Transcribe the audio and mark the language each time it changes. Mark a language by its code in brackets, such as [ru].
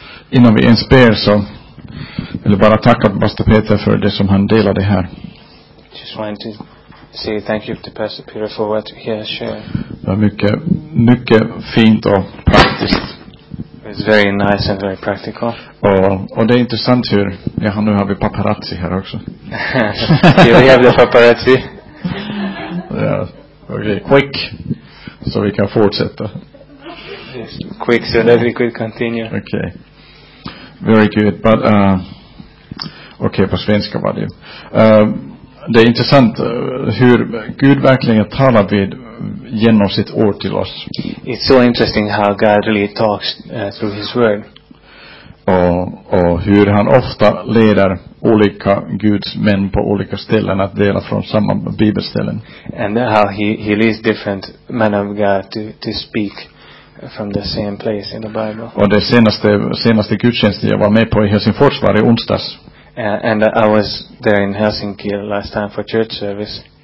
[sv] Innan vi ens ber så vill jag bara tacka Pastor Peter för det som han delade här. [en] Just wanted to say thank you to Pastor Peter for what he has shared. [sv] Det var mycket, mycket fint och praktiskt. [en] It's very nice and very practical. [sv] Och det är intressant hur, ja, nu har vi paparazzi här också. [en] Here we have the paparazzi. Yeah. Okay, quick. So we can fortsätta. Just quick so that we could continue. Okay. Very good, but okay, [sv] på svenska var det. Det är intressant hur Gud verkligen talar vid genom sitt ord till oss. [en] It's so interesting how God really talks through His word. [sv] Och hur han ofta leder olika Guds män på olika ställen att dela från samma bibelställen. [en] And how he leads different men of God to speak from the same place in the Bible. [sv] Och det senaste gudstjänsten jag var med på i Helsingfors var i onsdags. [en] And I was there in Helsinki last time for church service.